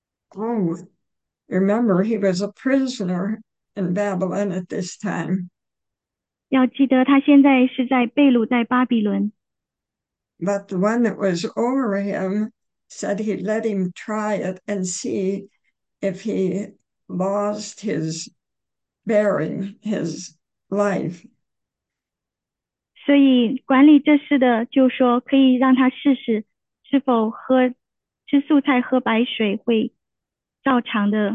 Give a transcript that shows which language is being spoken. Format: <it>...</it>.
<en>Oh. Remember, he was a prisoner in Babylon at this time.</en> <zh>要记得，他现在是在被掳在巴比伦。</zh> <en>But the one that was over him said he'd let him try it and see if he lost his bearing, his life.</en> <zh>所以管理这事的就说可以让他试试是否吃素菜喝白水会照常。</zh>